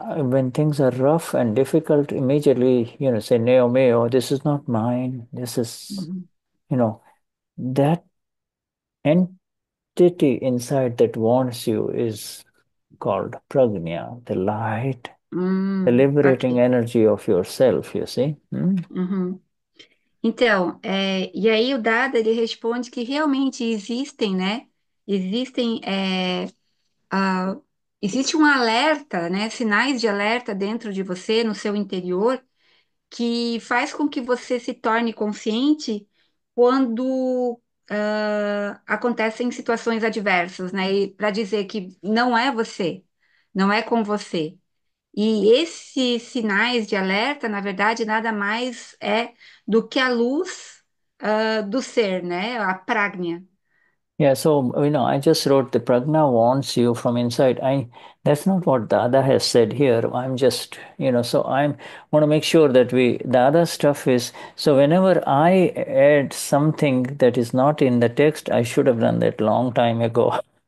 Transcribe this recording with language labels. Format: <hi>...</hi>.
<en>When things are rough and difficult, immediately, you know, say, neo meo, this is not mine. This is, you know, that entity inside that warns you is called prajna, the light. The liberating</en> <pt>aqui.</pt> <en>Energy of yourself, you see?</en> <pt>Então, e aí o Dada, ele responde que realmente existem, né? Existem, existe um alerta, né? Sinais de alerta dentro de você, no seu interior, que faz com que você se torne consciente quando acontecem situações adversas, né? E para dizer que não é você, não é com você. E esses sinais de alerta, na verdade, nada mais é do que a luz do ser, né? A prajna.</pt> <en>Yeah, so, you know, I just wrote the prajna warns you from inside. That's not what Dada has said here. I'm just, you know, so I want to make sure that we, Dada stuff is, so whenever I add something that is not in the text, I should have done that long time ago.</en>